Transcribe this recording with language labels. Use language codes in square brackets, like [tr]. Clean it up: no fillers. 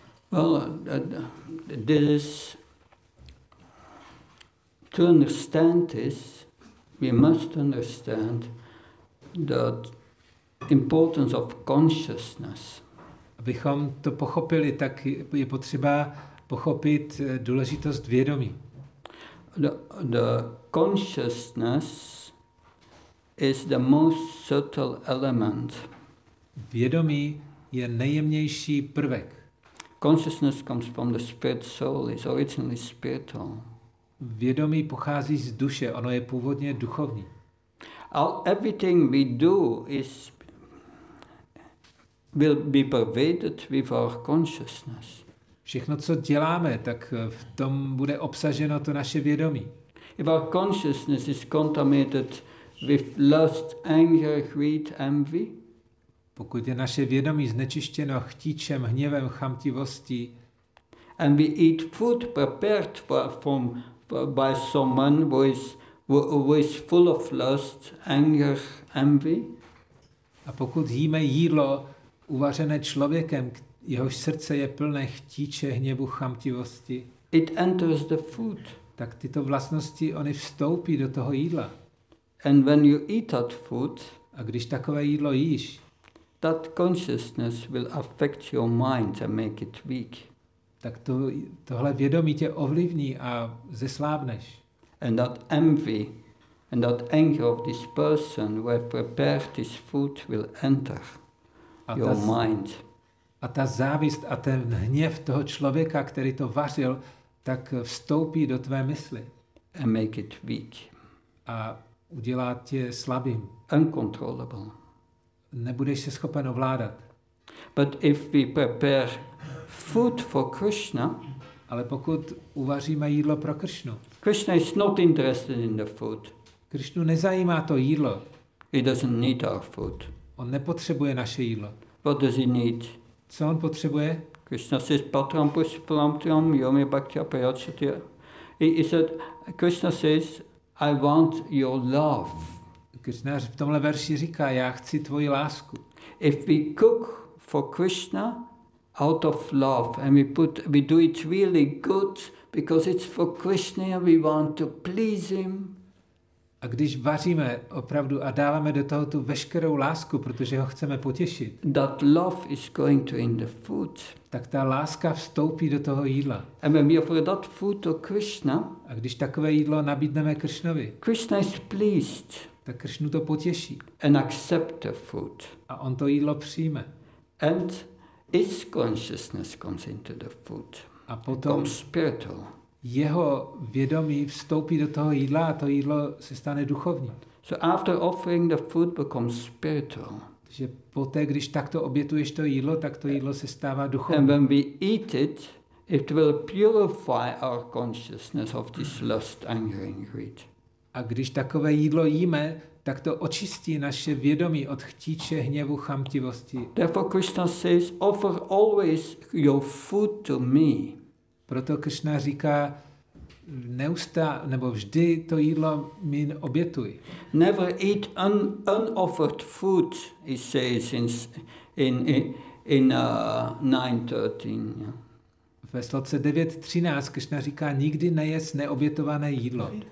[en] Well, this to understand this, we must understand the importance of consciousness. [cs] Abychom to pochopili, tak je potřeba pochopit důležitost vědomí. [en] The consciousness is the most subtle element. [cs] Vědomí je nejjemnější prvek. [en] Consciousness comes from the spirit soul, is originally spiritual. [cs] Vědomí pochází z duše, ono je původně duchovní. [en] All everything we do is will be pervaded with our consciousness. [cs] Všechno, co děláme, tak v tom bude obsaženo to naše vědomí. [en] If our consciousness is contaminated with lust, anger, greed, envy, [cs] pokud je naše vědomí znečištěno chtíčem, hněvem, chamtivostí, [en] and we eat food prepared by someone who is full of lust, anger, envy, [cs] a pokud jíme jídlo uvařené člověkem, jehož srdce je plné chtíče, hněvu, chamtivosti, [en] it enters the food. [cs] Tak tyto vlastnosti oni vstoupí do toho jídla. [en] And when you eat that food, [cs] a když takové jídlo jíš, [en] that consciousness will affect your mind and make it weak. [cs] Tak tohle vědomí tě ovlivní a zeslábneš. [en] And that envy and that anger of this person who have prepared this food will enter your mind. [cs] A ta závist a ten hněv toho člověka, který to vařil, tak vstoupí do tvé mysli. [en] And make it weak. [cs] A udělá tě slabým. [en] Uncontrollable. [cs] Nebudeš se schopen ovládat. [en] But if we prepare food for Krishna, [cs] ale pokud uvaříme jídlo pro Krishnu, [en] Krishna is not interested in the food. [cs] Krishnu nezajímá to jídlo. [en] He doesn't need our food. [cs] On nepotřebuje naše jídlo. [en] What does he need? [cs] Co on potřebuje? [en] Krishna says, [sa] "Patram pushpalamtram yomi bhakti prayachati." [en] He said, Krishna says, "I want your love." [cs] Krishna v tomhle verši říká, já chci tvoji lásku. [en] If we cook for Krishna out of love and we do it really good because it's for Krishna and we want to please him. [cs] A když vaříme opravdu a dáváme do toho tu veškerou lásku, protože ho chceme potěšit, [en] that love is going to in the food. [cs] Tak ta láska vstoupí do toho jídla. [en] And when we offer that food to Krishna, [cs] a když takové jídlo nabídneme Krishnovi, [en] Krishna is pleased. [cs] Tak Krishnu to potěší. [en] And accept the food. [cs] A on to jídlo přijme. [en] And his consciousness comes into the food. [cs] A potom [en] spiritual. [cs] Jeho vědomí vstoupí do toho jídla a to jídlo se stane duchovním. [en] So after offering the food becomes spiritual. [cs] Takže poté, když takto obětuješ to jídlo, tak to jídlo se stává duchovním. [en] And when we eat it, it will purify our consciousness of this lust, anger and greed. [cs] A když takové jídlo jíme, tak to očistí naše vědomí od chtíče, hněvu, chamtivosti. [en] Therefore Krishna says, offer always your food to me. [cs] Proto Krishna říká, neustá, nebo vždy to jídlo mi obětuj. [en] Never eat unoffered food, he says in 9:13. [cs] Ve sloce 9:13 Krishna říká, nikdy nejes neobětované jídlo.